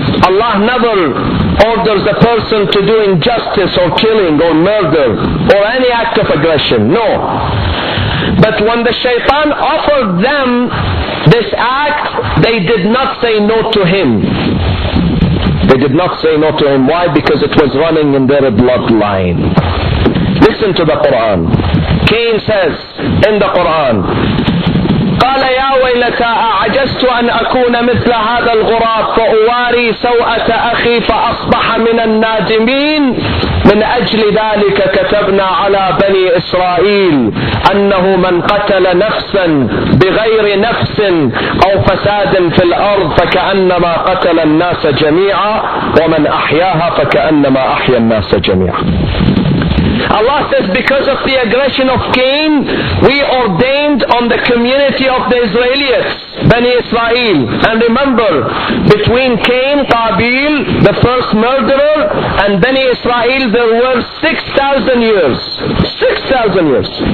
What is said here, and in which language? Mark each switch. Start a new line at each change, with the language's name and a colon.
English: Allah never orders a person to do injustice or killing or murder or any act of aggression. No. But when the shaitan offered them this act, they did not say no to him. They did not say no to him. Why? Because it was running in their bloodline. Listen to the Quran. Cain says in the Quran,
Arabic: قال يا ويلتا أعجزت أن أكون مثل هذا الغراب فأواري سوءة أخي فأصبح من النادمين من أجل ذلك كتبنا على بني إسرائيل أنه من قتل نفسا بغير نفس أو فساد في الأرض فكأنما قتل الناس جميعا ومن أحياها فكأنما أحيا الناس جميعا.
English: Allah says, because of the aggression of Cain, we ordained on the community of the Israelites, Bani Israel. And remember, between Cain, Qabil, the first murderer, and Bani Israel, there were 6,000 years. 6,000 years.